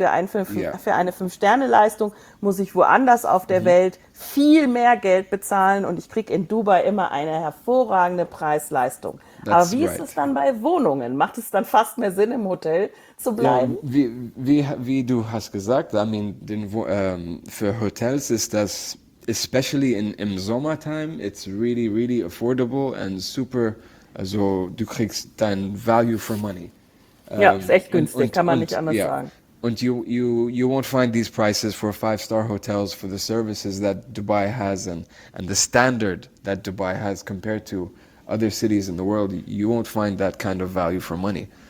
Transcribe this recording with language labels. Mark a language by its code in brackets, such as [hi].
[de] Für eine 5-Sterne-Leistung muss ich woanders auf der Welt viel mehr Geld bezahlen und ich kriege in Dubai immer eine hervorragende Preis-Leistung. Aber wie ist es dann bei Wohnungen? Macht es dann fast mehr Sinn, im Hotel zu bleiben? Ja, wie du hast gesagt, für Hotels ist das... [en] Especially [de] im [en] Sommertime, it's really, really affordable and super. [de] Also, du kriegst dein Value for Money. Ja, ist echt günstig, kann man nicht anders sagen. [en] And you won't find these prices for 5-star hotels for the services that Dubai has and the standard that Dubai has compared to other cities in the world. You won't find that kind of value for money.